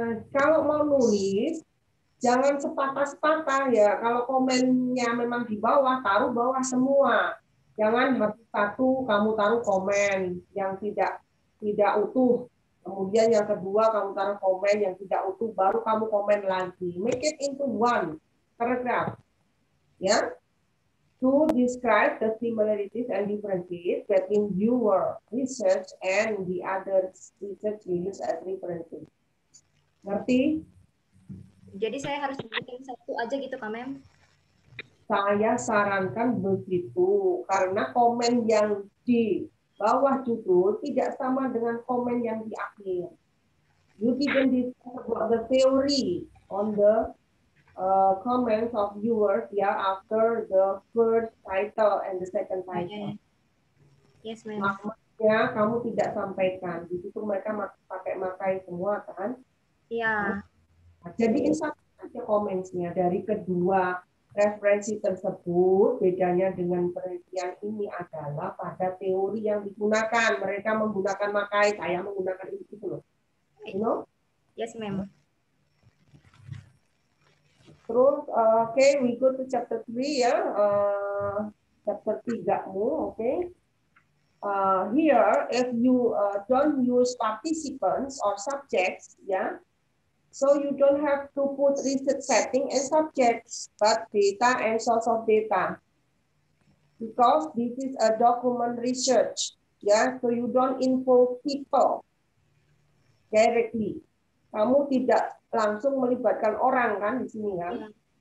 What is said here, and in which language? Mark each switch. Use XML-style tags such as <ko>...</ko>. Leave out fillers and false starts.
<id>Kalau mau nulis, jangan sepatah-sepatah ya. Kalau komennya memang di bawah, taruh bawah semua. Jangan satu kamu taruh komen yang tidak utuh. Kemudian yang kedua kamu taruh komen yang tidak utuh, baru kamu komen lagi.</id> <en>Make it into one paragraph, ya. To describe the similarities and differences between your research and the other research you use as references.</en> <id>Ngerti? Jadi saya harus bikin satu aja gitu, Kak Mem? Saya sarankan begitu, karena komen yang di bawah judul tidak sama dengan komen yang di akhir.</id> <en>You can discuss about the theory on the comments of viewers, yeah, after the first title and the second title. Okay. Yes, ma'am.</en> <id>Makanya kamu tidak sampaikan. Di situ mereka pakai makai semua, kan? Iya. Yeah. Jadi, insert aja comments-nya dari kedua referensi tersebut, bedanya dengan penelitian ini adalah pada teori yang digunakan. Mereka menggunakan makai, saya menggunakan ini gitu loh.</id> <en>You know? Yes, ma'am. Terus, okay, we go to chapter 3 ya. Chapter 3-mu, okay. Here, if you don't use participants or subjects, yeah, so you don't have to put research setting and subjects, but data and source of data, because this is a document research, yeah. So you don't involve people directly.</en> <id>Kamu tidak langsung melibatkan orang kan di sini kan?</id>